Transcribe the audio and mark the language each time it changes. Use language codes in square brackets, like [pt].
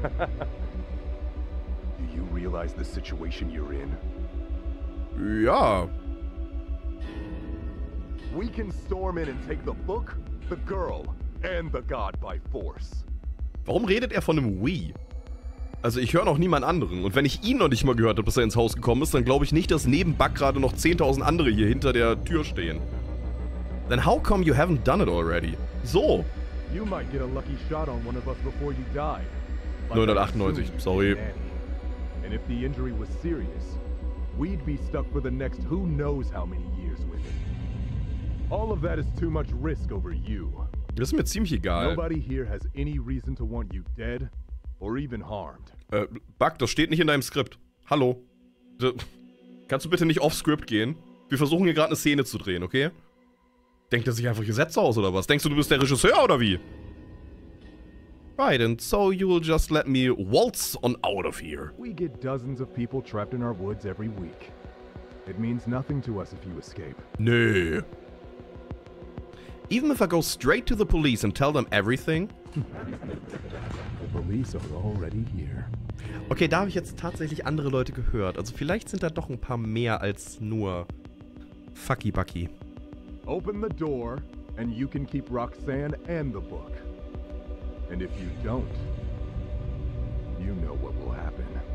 [en] Do you realize the situation you're in? Yeah. We can storm in and take the book, the girl, and the god by force. [de] Warum redet von einem We? Also ich höre noch niemand anderen. Und wenn ich ihn noch nicht mal gehört habe, bis ins Haus gekommen ist, dann glaube ich nicht, dass neben Buck gerade noch 10.000 andere hier hinter der Tür stehen. [en] Then how come you haven't done it already? So. You might get a lucky shot on one of us before you die. 998, sorry. And if the injury was serious, we'd be stuck for the next who knows how many years with it. All of that is too much risk over you. [de] Das ist mir ziemlich egal. [en] Nobody here has any reason to want you dead or even harmed. [de] Buck, das steht nicht in deinem Skript. Hallo. Kannst du bitte nicht off-script gehen? Wir versuchen hier gerade eine Szene zu drehen, okay? Denkt er sich einfach Gesetze aus oder was? Denkst du, du bist der Regisseur oder wie? [en] Right, and so you'll just let me waltz on out of here. We get dozens of people trapped in our woods every week. It means nothing to us if you escape. [de] Nee. [en] Even if I go straight to the police and tell them everything? The police are already here. [de] Okay, da habe ich jetzt tatsächlich andere Leute gehört. Also vielleicht sind da doch ein paar mehr als nur Fucky Bucky. [en] Open the door and you can keep Roxanne and the book. And if you don't, you know what will happen.